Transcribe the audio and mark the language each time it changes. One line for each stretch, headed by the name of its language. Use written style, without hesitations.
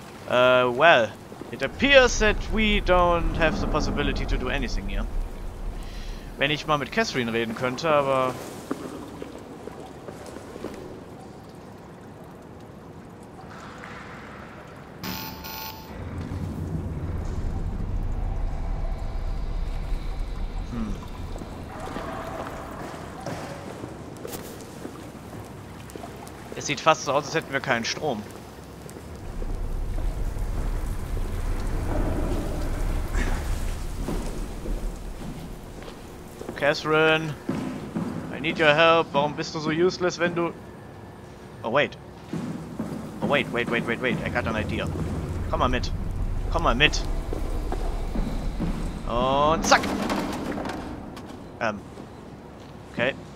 English: Well, it appears that we don't have the possibility to do anything here.
German: Wenn ich mal mit Catherine reden könnte, aber... Sieht fast so aus, als hätten wir keinen Strom.
English: Catherine, I need your help.
German: Warum bist du so useless, wenn du...
English: Oh, wait. I got an idea.
German: Komm mal mit. Und zack. Okay.